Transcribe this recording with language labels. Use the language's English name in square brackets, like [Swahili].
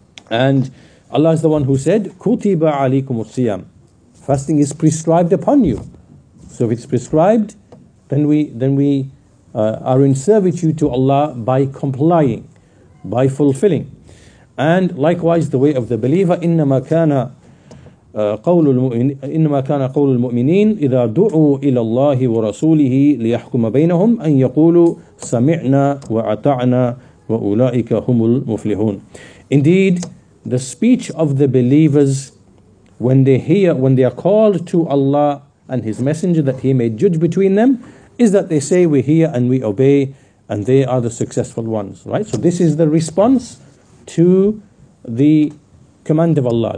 [English] And Allah is the one who said, [Arabic] kutiba alaykum as-siyam. [English] Fasting is prescribed upon you. So if it's prescribed, then we are in servitude to Allah by complying, by fulfilling. And likewise, the way of the believer, [Arabic] إِنَّمَا كَانَ قول المؤمنين إنما كان قول المؤمنين إذا دعوا إلى الله ورسوله ليحكم بينهم أن يقولوا سمعنا وأطعنا وأولئك هم المفلحون. [English] Indeed, the speech of the believers when they hear, when they are called to Allah and His Messenger that He may judge between them, is that they say, we hear and we obey, and they are the successful ones, right? So this is the response to the command of Allah.